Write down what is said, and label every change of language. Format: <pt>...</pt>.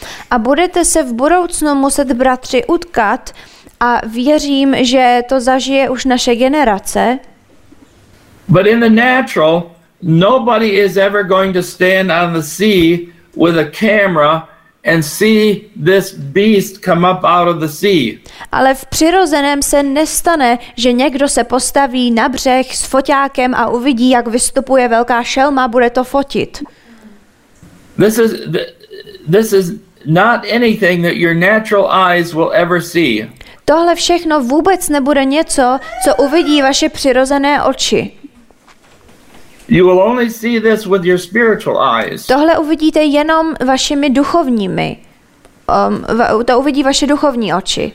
<cs>A budete se v budoucnu muset, bratři, utkat a věřím, že to zažije už naše generace.</cs> <en>But in the natural, nobody is ever going to stand on the sea with a camera and see this beast come up out of the sea.</en> <cs>Ale v přirozeném se nestane, že někdo se postaví na břeh s foťákem a uvidí, jak vystupuje velká šelma, bude to fotit.</cs> <en>This is not anything that your natural eyes will ever see.</en> <cs>Tohle všechno vůbec nebude něco, co uvidí vaše přirozené oči.</cs> <en>You will only see this with your spiritual eyes.</en> <cs>Tohle uvidíte jenom vašimi duchovními. To uvidí vaše duchovní oči.</cs>